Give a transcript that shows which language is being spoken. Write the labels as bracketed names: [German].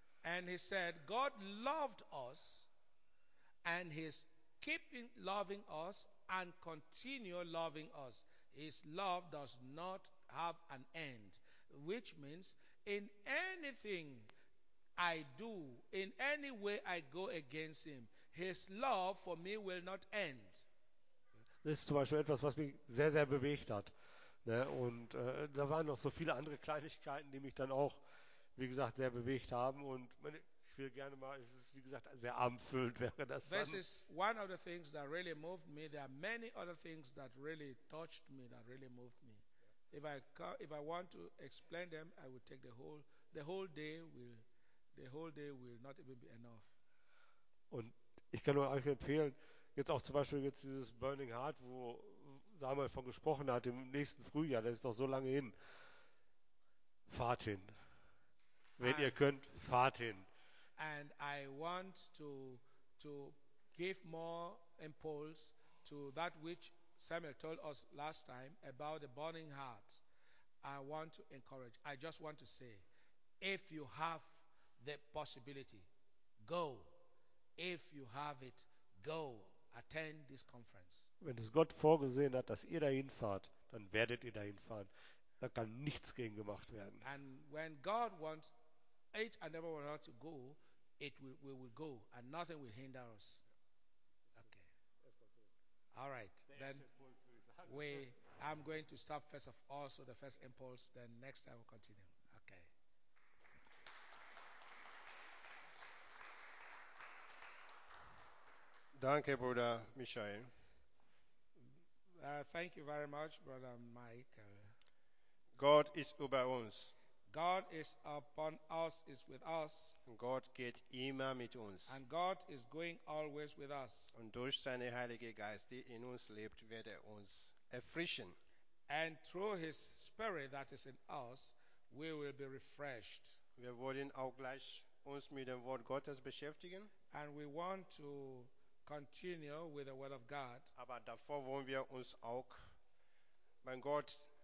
[English] And he said, God loved us and he's keeping loving us and continue loving us. His love does not have an end. Which means, in anything I do, in any way I go against him, his love for me will not end. [German] Das ist zum Beispiel etwas, was mich sehr, sehr bewegt hat. Ne? Und da waren noch so viele andere Kleinigkeiten, die mich dann auch, wie gesagt, sehr bewegt haben. Und ich will gerne mal, es ist, wie gesagt, sehr abendfüllend wäre das [English] This [German] dann. [English] This is one of the things that really moved me. There are many other things that really touched me, that really moved me. If I want to explain them, I will take the whole day will not even be enough. [German] Und ich kann euch empfehlen, jetzt auch zum Beispiel jetzt dieses Burning Heart, wo Samuel von gesprochen hat, im nächsten Frühjahr, das ist noch so lange hin, fahrt hin. Wenn ihr könnt, fahrt hin. [English] And I want to give more impulse to that which Samuel told us last time about the burning heart. I want to encourage, I just want to say, if you have the possibility, go. If you have it, go attend this conference. [German] Wenn es Gott vorgesehen hat, dass ihr dahin fahrt, dann werdet ihr dahin fahren. Da kann nichts gegen gemacht werden. [English] And when God wants each and every one of us to go, we will go, and nothing will hinder us. Okay. All right. Then I'm going to stop first of all, so the first impulse. Then next time we'll continue. [German] Danke, Bruder Michael. [English] Thank you very much, Brother Michael. God is [German] über uns. [English] God is upon us, is with us. [German] Gott geht immer mit uns. [English] And God is going always with us. [German] Und durch seine Heilige Geist, die in uns lebt, wird uns erfrischen. [English] And through his spirit that is in us, we will be refreshed. [German] Wir wollen auch gleich uns mit dem Wort Gottes beschäftigen. [English] And we want to continue with the word of God. [German] Aber davor wollen wir uns auch, mein Gott,